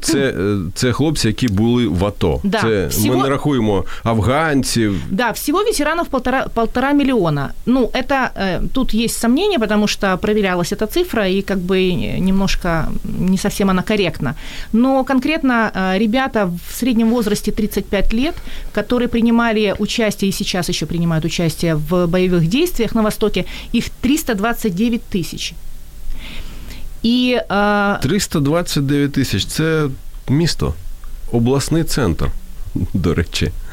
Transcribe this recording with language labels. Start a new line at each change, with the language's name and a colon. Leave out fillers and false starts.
Ukrainian: Ці, це хлопці, які були в АТО.
Russian: Да,
Ukrainian: це,
Russian: всего,
Ukrainian: ми не рахуємо афганців.
Russian: Да, всего ветеранов полтора миллиона. Ну, это тут есть сомнения, потому что проверялась эта цифра, и как бы немножко не совсем она корректна. Но конкретно ребята в среднем возрасте 35 лет, которые принимали участие и сейчас еще принимают участие в боевых действиях на Востоке, их 329 тысяч.
Ukrainian: І 329 тисяч – це місто, обласний центр, до речі.